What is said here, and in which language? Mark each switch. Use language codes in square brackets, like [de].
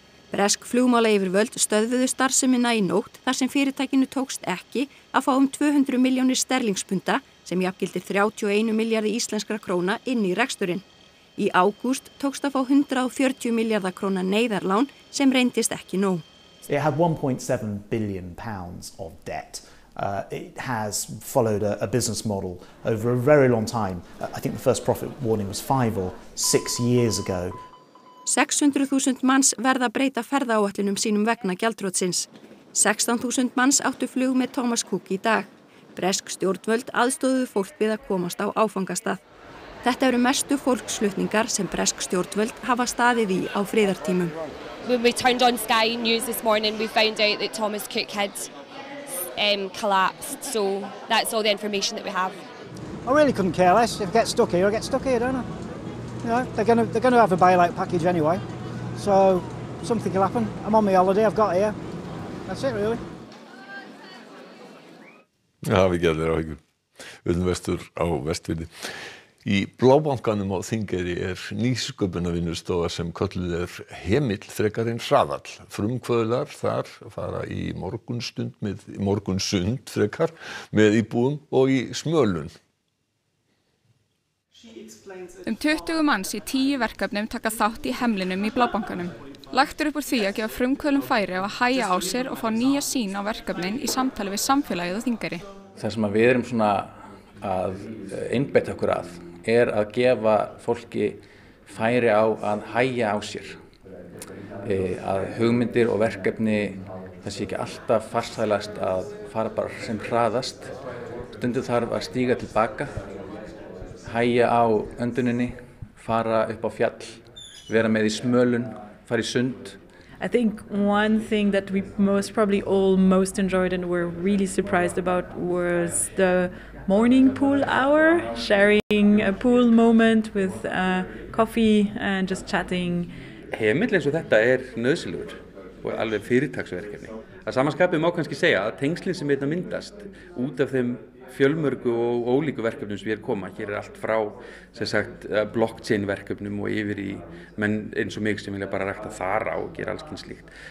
[is] Bresk flugmála yfirvöld stöðvuðu starfsemina í nótt þar sem fyrirtækinu tókst ekki að fá 200 milljónir sterlingspunda sem jafngildir 31 milljarði íslenskra króna inn í reksturinn. Í ágúst tókst að fá 140 milljarða króna neyðarlán sem reyndist ekki nóg. [en] It had 1.7 billion pounds of debt. It has followed a business model over a very long time. I think the first profit warning was 5 or 6 years ago. [is] 600.000 manns verða að breyta ferðaáætlunum sínum vegna gjaldþrotsins. 16.000 manns áttu flug með Thomas Cook í dag. Bresk stjórnvöld aðstoðuðu fólk við að komast á áfangastað. Þetta eru mestu fólksflutningar sem bresk stjórnvöld hafa staðið í á friðartímum. [en] When we turned on Sky News this morning, we found out that Thomas Cook had collapsed. So that's all the information that we have. I really couldn't care less. If I get stuck here, I get stuck here, don't I? You know, they're gonna have a bailout package anyway. So something will happen. I'm on my holiday, I've got here. That's it really. [is] Já, við gerðum áhyggjur. Við erum vestur á Vestfirði. Í Blábankanum á Þingeyri er nýsköpunarvinnustofa sem kölluð er Hemill frekar en Hraðall. Frumkvöðlar þar fara í morgunsund frekar með íbúum og í Smölun. 20 manns í 10 verkefnum taka þátt í Hemlinum í Blábankanum. Lagt upp úr því að gefa frumkvöðlum færi á að hæja á sér og fá nýja sýn á verkefnin í samtali við samfélagið á Þingeyri. Það sem við erum svona að einbeita okkur að er að gefa fólki færi á að hæja á sér. Að hugmyndir og verkefni, það sé ekki alltaf farsælast að fara bara sem hraðast. Stundum þarf að stíga til baka, hæja á önduninni, fara upp á fjall, vera með í smölun, fara í sund, [en] I think one thing that we most probably all most enjoyed and were really surprised about was the morning pool hour, sharing a pool moment with coffee and just chatting. [is] Heimill eins og þetta nauðsynlegur og alveg fyrirtaksverkefni. Að samanskapi má kannski segja að tengslin sem þetta myndast út af þeim fjölmörgu og ólíku verkefnum sem við koma. Hér allt frá, sem sagt, blockchain verkefnum og yfir í menn eins og mig sem vilja bara rækta þar á og gera alls kyns slíkt.